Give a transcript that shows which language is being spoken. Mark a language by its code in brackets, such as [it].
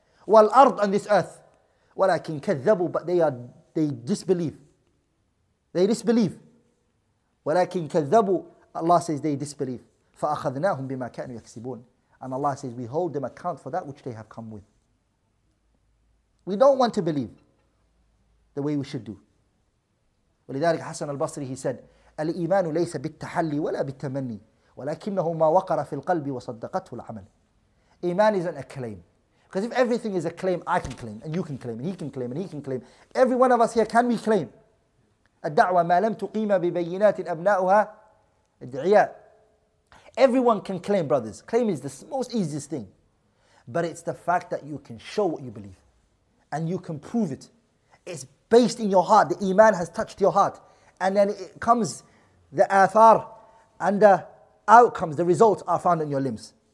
[ar] وَالْأَرْضِ, [en] and this earth. [ar] وَلَكِنْ كَذَّبُوا, [en] but they disbelieve. [ar] وَلَكِنْ كَذَّبُوا, [en] Allah says, they disbelieve. [ar] فَأَخَذْنَاهُمْ بِمَا كَانُوا يَكْسِبُونَ. [en] And Allah says, we hold them account for that which they have come with. We don't want to believe the way we should do. [ar] ولذلك حسن البصري [en] he said [ar] الإيمان ليس بالتحلي ولا بالتمني ولكنه ما وقر في القلب وصدقته العمل. [en] Iman isn't a claim. Because if everything is a claim, I can claim, and you can claim, and he can claim, and he can claim. Every one of us here, can we claim? [ar] الدعوة ما لم تقيم ببينات أبناؤها الدعياء. [en] Everyone can claim, brothers. Claim is the most easiest thing. But it's the fact that you can show what you believe. And you can prove it. It's based in your heart. The Iman has touched your heart. And then it comes, the athar, and the outcomes, the results are found in your limbs.